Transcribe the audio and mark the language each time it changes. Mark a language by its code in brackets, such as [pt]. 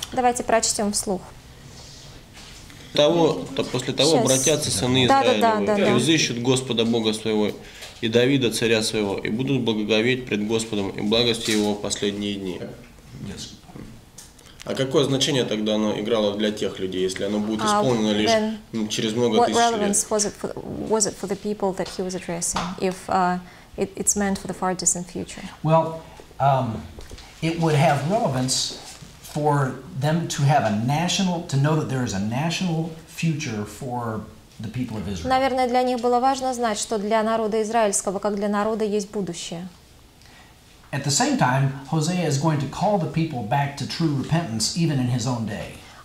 [ru] Давайте прочтем вслух. После того обратятся сыны Израилевы и взыщут Господа Бога своего и Давида царя своего и будут благоговеть пред Господом и благости его в последние дни. [en] Yes. [ru] А какое значение тогда оно играло для тех людей, если оно будет исполнено лишь через много тысяч лет? [en] What relevance was it for the people that he was addressing if it's meant for the far distant future? Well, it would have relevance for them to have a national, to know that there is a national future for the people of Israel. [ru] Наверное, для них было важно знать, что для народа израильского, как для народа, есть будущее. [en] At the same time, Hosea is going to call the people back to true repentance, even in his own day.